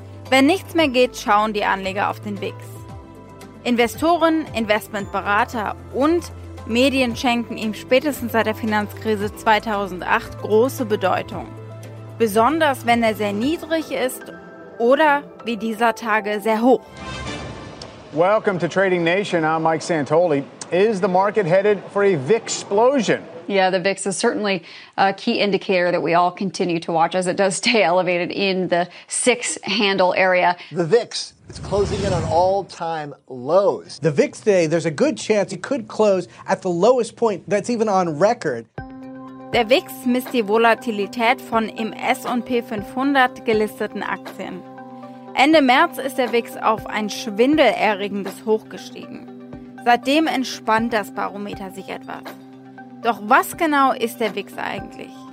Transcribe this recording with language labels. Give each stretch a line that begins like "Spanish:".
German: Wenn nichts mehr geht, schauen die Anleger auf den VIX. Investoren, Investmentberater und Medien schenken ihm spätestens seit der Finanzkrise 2008 große Bedeutung. Besonders, wenn er sehr niedrig ist oder wie dieser Tage sehr hoch.
English: Welcome to Trading Nation, I'm Mike Santoli. Is the market headed for a VIX explosion? Yeah, the VIX is certainly a key indicator that we all continue to watch as it does stay elevated in the 6-handle area. The VIX, it's closing in on all-time lows. The VIX today, there's a good chance it could close at the lowest point that's even on record.
German: Der VIX misst die Volatilität von im S&P 500 gelisteten Aktien. Ende März ist der VIX auf ein schwindelerregendes Hoch gestiegen. Seitdem entspannt das Barometer sich etwas. Doch was genau ist der VIX eigentlich?